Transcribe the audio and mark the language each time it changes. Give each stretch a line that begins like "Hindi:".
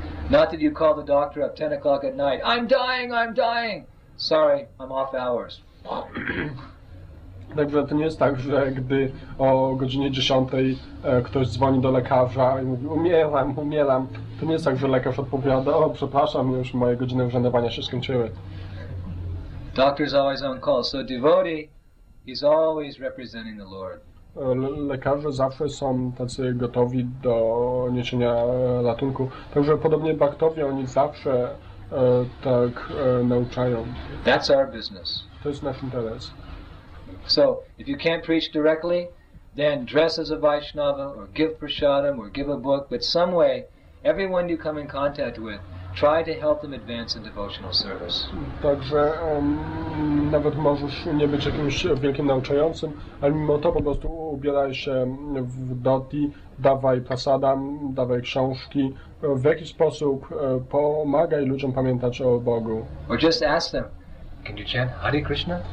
English: Not that you call the doctor up 10 o'clock at night. I'm dying, I'm dying. Sorry, I'm off hours.
Polish: Także to nie jest tak, że gdy o godzinie 10 ktoś dzwoni do lekarza i mówi umieram. To nie jest tak, że lekarz odpowiada, przepraszam, już moje godziny urzędowania się skończyły.
English: Doctor's always on call. So devotee is always representing the Lord.
Polish: Lekarze zawsze są tacy gotowi do niesienia ratunku. Także podobnie baktowie, oni zawsze tak nauczają.
English: That's our business.
Polish: To jest nasz interes.
English: So if you can't preach directly, then dress as a Vaishnava or give prasadam or give a book, but some way, everyone you come in contact with, try to help them advance in devotional service.
Polish: Także nawet możesz nie być jakimś wielkim nauczającym, ale mimo to po prostu ubieraj się w dhoti, dawaj prasadam, dawaj książki. W jakiś sposób pomagaj ludziom pamiętać o Bogu.
English: Or just ask them, can you chant Hare Krishna?